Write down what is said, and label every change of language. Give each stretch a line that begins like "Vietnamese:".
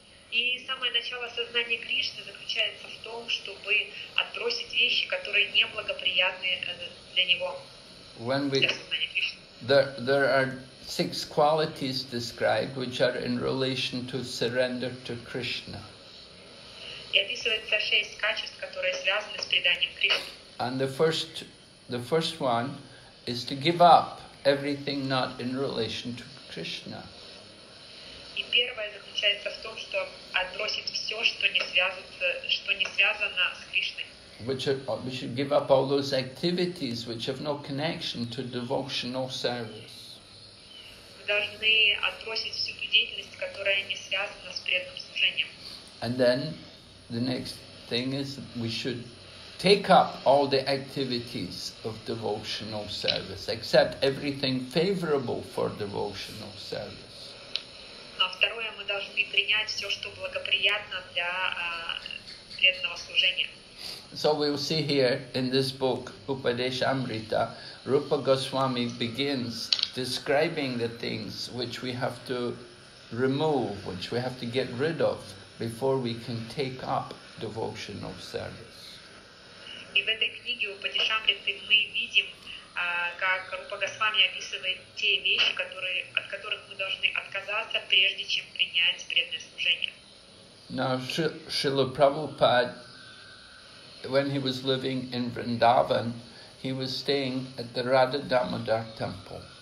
Russian: И самое начало сознания Кришны заключается в том, чтобы отбросить вещи, которые неблагоприятны для Него,
English: when we,
Russian: для сознания Кришны.
English: There are six qualities described, which are in relation to surrender to Krishna.
Russian: И описывается шесть качеств, которые связаны с преданием Кришне.
English: And the first one is to give up everything not in relation to Krishna.
Russian: И первое заключается в том, что отбросить все, что не связано с Кришной.
English: We should give up all those activities which have no connection to devotional service.
Russian: Мы должны отбросить всю ту деятельность, которая не связана с преданным служением.
English: And then the next thing is we should take up all the activities of devotional service, except everything favorable for devotional service.
Russian: Второе, мы должны принять все, что благоприятно для преданного служения.
English: So we will see here in this book, Upadesha Amrita, Rupa Goswami begins describing the things which we have to remove, which we have to get rid of before we can take up devotional service.
Russian: И в этой книге Упадеша Амриты мы видим, как Рупа Госвами описывает те вещи, от которых мы должны отказаться, прежде чем принять преданное служение.
English: Now, Srila Prabhupada, when he was living in Vrindavan, he was staying at the Radha Damodar temple.